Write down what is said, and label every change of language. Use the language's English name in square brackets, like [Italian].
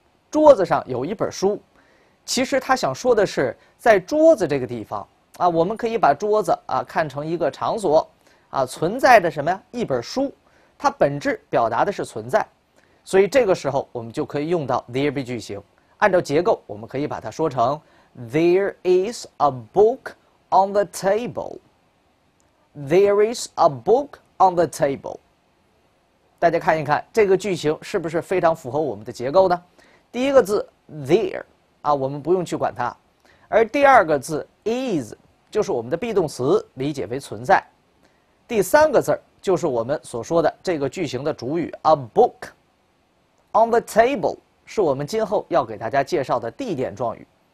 [Chinese] 桌子上有一本书，其实他想说的是在桌子这个地方啊，我们可以把桌子啊看成一个场所啊，存在着什么呀？一本书，它本质表达的是存在，所以这个时候我们就可以用到 there be 句型。按照结构，我们可以把它说成 there is a book on the table。 [English] There is a book on the table。 [Chinese] 大家看一看这个句型是不是非常符合我们的结构呢？第一个字 there 啊，我们不用去管它，而第二个字 is 就是我们的 be 动词，理解为存在。第三个字就是我们所说的这个句型的主语 a book on the table，是我们今后要给大家介绍的地点状语。